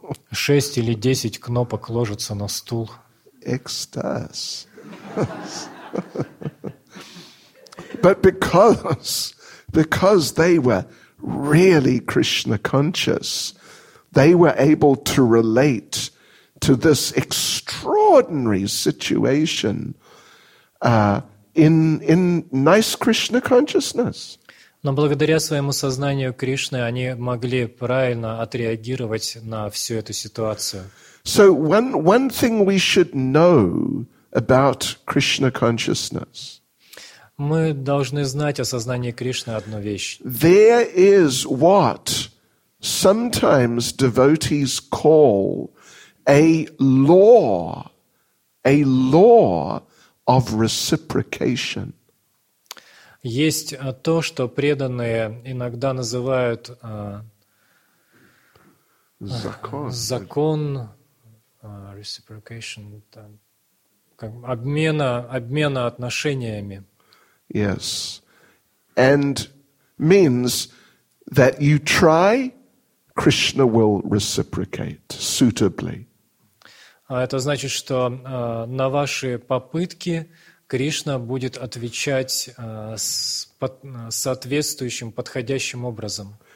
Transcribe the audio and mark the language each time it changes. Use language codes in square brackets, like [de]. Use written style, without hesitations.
[ru] 6 или 10 кнопок ложатся на стул. Экстаз. [en] But because they were really Krishna conscious, they were able to relate to this extraordinary situation. in nice Krishna consciousness. [ru] Но благодаря своему сознанию Кришны они могли правильно отреагировать на всю эту ситуацию. [en] So one thing we should know about Krishna consciousness. [ru] Мы должны знать о сознании Кришны одну вещь. [en] There is what sometimes devotees call a law of reciprocation. [ru] Есть то, что преданные иногда называют закон reciprocation, как обмена отношениями. [en] Yes, and means that you try, Krishna will reciprocate suitably. [ru] Это значит, что на ваши попытки Кришна будет отвечать соответствующим, подходящим образом.